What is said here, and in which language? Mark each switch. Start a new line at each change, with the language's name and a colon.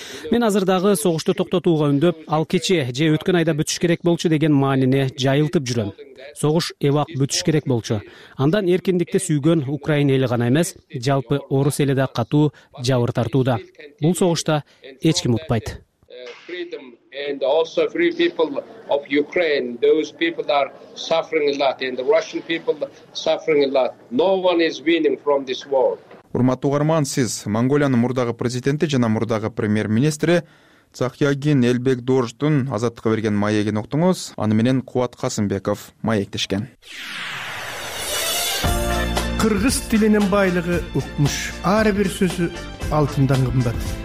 Kyrgyz: Мен азырдагы согушту токтотууга үндөп, ал кечээ же өткөн айда бүтүш керек болчу деген маанини жайылтып жүрөм. Согуш эбак бүтүш керек болчу. Андан эркиндикти сүйгөн Украина эли гана эмес, жалпы орус эли да катуу жабыр тартууда. Бул согушта эч ким утпайт.
English: And also free people of Ukraine, those people are suffering a lot, and the Russian people suffering a lot. No one is winning from this war.
Kyrgyz: Урматтуу угарман, сиз Монголиянын мурдагы президенти жана мурдагы премьер-министри Цахиагин Элбекдоржтун азаттыкка берген маегин уктуңуз. Аны менен Кубат Касымбеков маектешкен. Кыргыз тилинин байлыгы укмуш, ар бир сөзү алтындан кымбат.